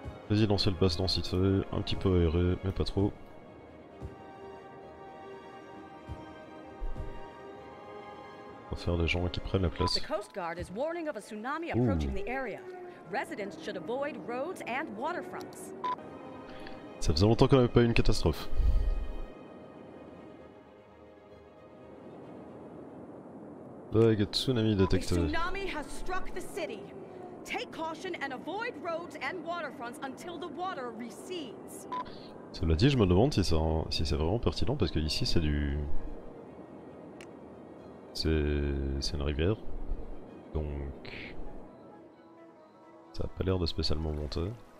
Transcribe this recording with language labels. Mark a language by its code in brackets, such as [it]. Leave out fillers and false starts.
[fr] Résidentiel basse densité, un petit peu aéré, mais pas trop. On va faire des gens qui prennent la place. [en] The Coast Guard is warning of a tsunami approaching the area. Residents should avoid roads and waterfronts. [fr] Ça faisait longtemps qu'on n'avait pas eu une catastrophe. Vague tsunami détectée. [en] A tsunami has struck the city. Take caution and avoid roads and waterfronts until the water recedes. [fr] Cela dit, je me demande si, ça, si c'est vraiment pertinent parce que ici c'est du. C'est une rivière. Donc. Ça a pas l'air de spécialement monter.